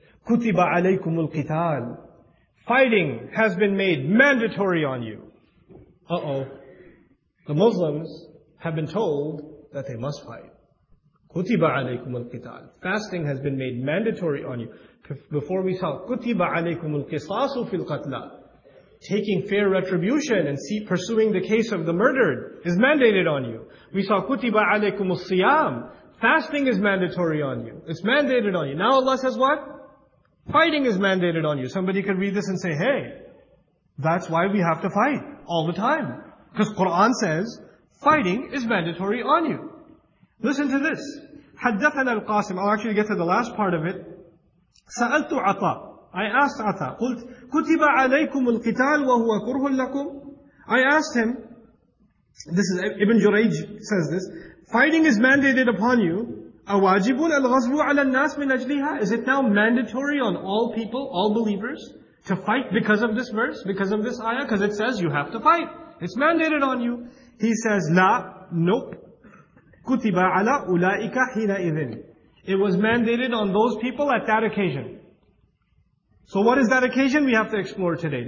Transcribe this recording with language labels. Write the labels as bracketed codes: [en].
[ar] كُتِبَ عَلَيْكُمُ الْقِتَالِ. [en] Fighting has been made mandatory on you. Uh-oh. The Muslims have been told that they must fight. [ar] كُتِبَ عَلَيْكُمُ الْقِتَالِ. [en] Fasting has been made mandatory on you. Before we saw, [ar] كُتِبَ عَلَيْكُمُ الْقِصَاصُ فِي الْقَتْلَى. [en] Taking fair retribution and pursuing the case of the murdered is mandated on you. We saw, [ar] كُتِبَ عَلَيْكُمُ الصِّيَامُ. [en] Fasting is mandatory on you. It's mandated on you. Now Allah says what? Fighting is mandated on you. Somebody could read this and say, hey, that's why we have to fight all the time. Because Quran says, fighting is mandatory on you. Listen to this. [ar] حَدَّثَنَا الْقَاسِمُ. [en] I'll actually get to the last part of it. [ar] سَأَلْتُ عَطَى. [en] I asked Atha, [ar] قُلْتُ كُتِبَ عَلَيْكُمُ الْقِتَالُ وَهُوَ كُرْهٌ لَكُمْ. [en] I asked him, this is Ibn Jurayj says this, fighting is mandated upon you. [ar] أَوَاجِبٌ الْغَزْبُ عَلَى النَّاسِ مِنْ أَجْلِهَا. [en] Is it now mandatory on all people, all believers, to fight because of this verse, because of this ayah? Because it says you have to fight. It's mandated on you. He says, لا, nope. [ar] كُتِبَ عَلَى أُولَٰئِكَ حِنَئِذٍ. [en] It was mandated on those people at that occasion. So what is that occasion we have to explore today?